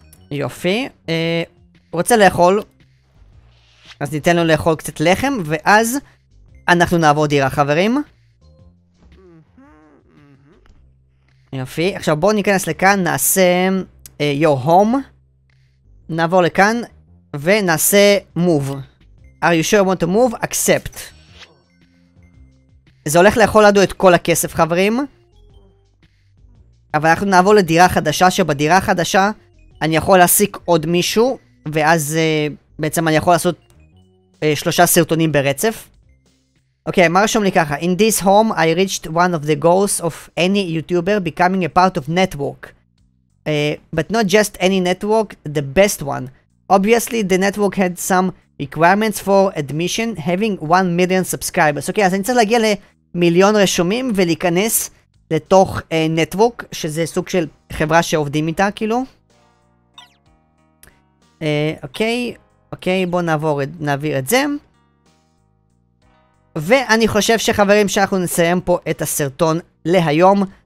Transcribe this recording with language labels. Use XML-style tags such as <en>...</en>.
<he>יופי. רוצה לאכול. אז ניתן לו לאכול קצת לחם, ואז אנחנו נעבור דירה, חברים. יופי. עכשיו בואו ניכנס לכאן, נעשה</he> <en>your home.</en> <he>נעבור לכאן, ונעשה</he> <en>move. Are you sure you want to move? Accept.</en> <he>זה הולך לאכול לנו את כל הכסף, חברים. אבל אנחנו נעבור לדירה חדשה, שבדירה החדשה אני יכול להסיק עוד מישהו, ואז בעצם אני יכול לעשות שלושה סרטונים ברצף. אוקיי, מה רשום לי ככה?</he> <en>In this home I reached one of the goals of any YouTuber becoming a part of network. But not just any network, the best one. Obviously the network had some requirements for admission, having 1 million subscribers.</en> <he>אוקיי, אז אני צריך להגיע למיליון רשומים ולהיכנס לתוך נטוורק, שזה סוג של חברה שעובדים איתה, כאילו. אוקיי, אוקיי, בוא נעביר את זה. ואני חושב שחברים שאנחנו נסיים פה את הסרטון להיום.</he>